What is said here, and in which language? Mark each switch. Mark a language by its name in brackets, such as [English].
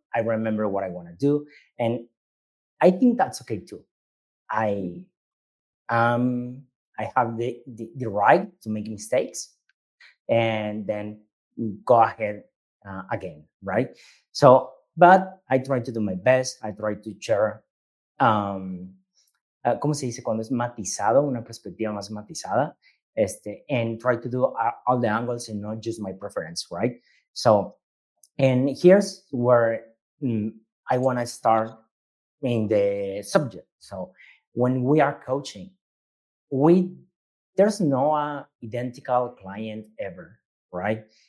[English] I remember what I want to do. And I think that's okay too. I have the right to make mistakes and then go ahead again, right? So, but I try to do my best. I try to share, [Spanish] ¿cómo se dice cuando es matizado? Una perspectiva más matizada. [English] And try to do all the angles and not just my preference, right? So, and here's where I want to start in the subject. So, when we are coaching, there's no identical client ever, right?